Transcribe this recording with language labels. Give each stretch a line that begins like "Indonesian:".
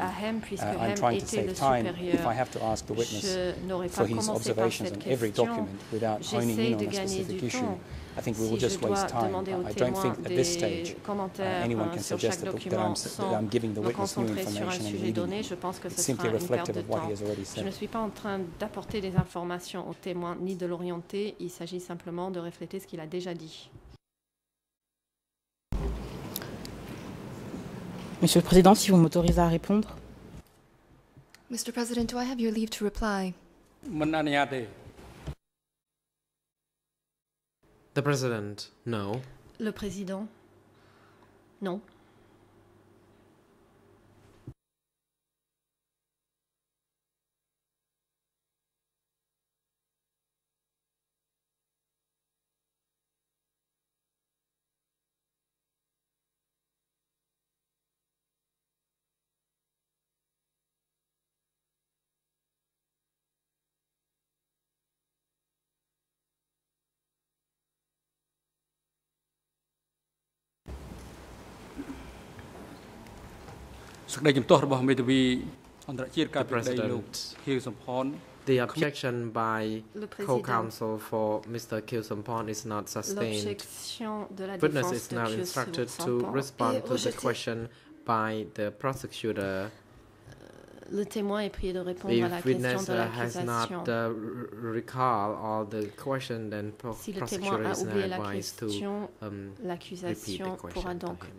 English: I'm trying to save time. If I have to ask the witness for his observations on every document without honing in on a specific issue, I think we will just waste time. I don't think at this stage anyone can suggest that I'm giving the witness new information and leading him. It's simply reflective of what he has already said.
French: Je ne suis pas en train d'apporter des informations au témoin ni de l'orienter. Il s'agit simplement de refléter ce qu'il a déjà dit. Monsieur le Président, si vous m'autorisez à répondre.
English: Mr. President, do I have your leave to reply? The President, no.
French: Le Président, non.
English: The President, the objection by co-counsel for Mr. Kyusampon is not sustained. Witness is now instructed to respond to the question by the prosecutor.
French: Le témoin est prié de répondre à la question de l'accusation.
English: If witness has not recall all the question, then prosecutor is now advised to repeat the question.